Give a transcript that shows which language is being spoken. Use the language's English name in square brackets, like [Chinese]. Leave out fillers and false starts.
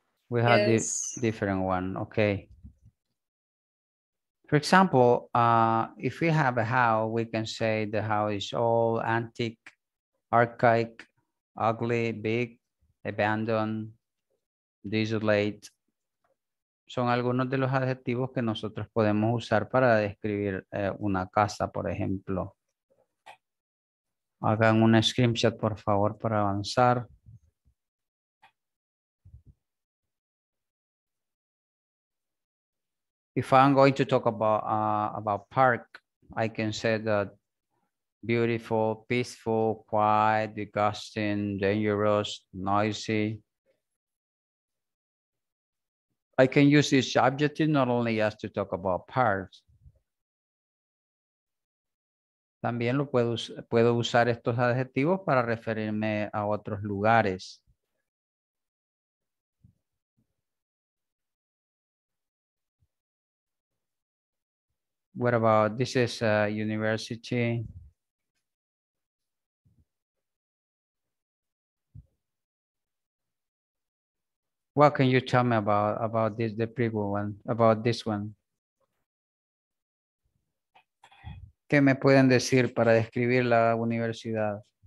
[English] We have this different one, okay. For example, if we have a how, we can say the how is old, antique, archaic, ugly, big, abandoned, desolate. [Spanish] Son algunos de los adjetivos que nosotros podemos usar para describir una casa, por ejemplo. Hagan un screenshot, por favor, para avanzar. [English] If I'm going to talk about park, I can say that beautiful, peaceful, quiet, disgusting, dangerous, noisy. I can use this adjective not only just to talk about parts. [Spanish] También lo puedo usar estos adjetivos para referirme a otros lugares. [English] What about this is a university? What can you tell me about this, the previous one, about this one? [Spanish] ¿Qué me pueden decir para describir la universidad?